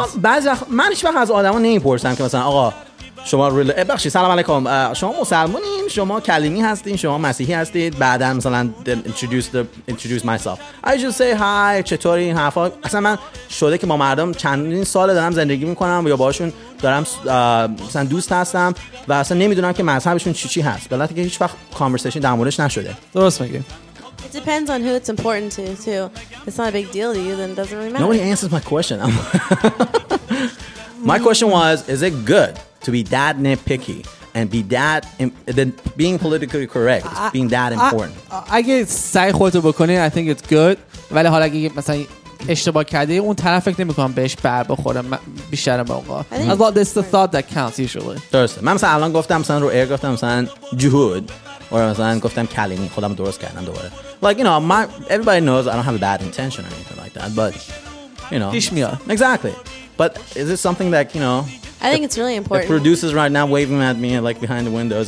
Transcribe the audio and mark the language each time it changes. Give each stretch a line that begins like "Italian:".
Persian: خب بعضی وقت من هیچ وقت از آدما نمیپرسم که مثلا آقا شما بخشی سلام علیکم شما مسلمونین شما کلیمی هستین شما مسیحی هستید بعدن مثلا
English: introduce myself I just say hi
Persian: چطوری این حرفا. اصلا من شده که با مردم چندین سال دارم زندگی میکنم یا باشون دارم مثلا دوست هستم و اصلا نمیدونم که مذهبشون چی هست بلات که هیچ وقت conversation در موردش نشده. درست میگی.
English: It depends on who it's important to too. It's not a big deal to you then it doesn't really matter. Nobody answers my question. My question was is it good to be that nitpicky and be that then being politically correct being that important. I get
Persian: سعی خودتو بکنی
English: I think it's good
Persian: ولی حالا اگه مثلا اشتباه کردی اون طرف فکر نمی‌کنم بهش بر بخورم بیشتر به اون.
English: As well this the thought that counts usually.
Persian: درست. من مثلا الان گفتم مثلا رو ایر گفتم مثلا جهود و مثلا گفتم کلمی خودم درست کردم دوباره.
English: Like you know my everybody knows I don't have a bad intention or anything like that but you know.
Persian: پیش میاد.
English: Exactly. But is it something that you know I think it's really important. The producers right now waving at me like behind the windows.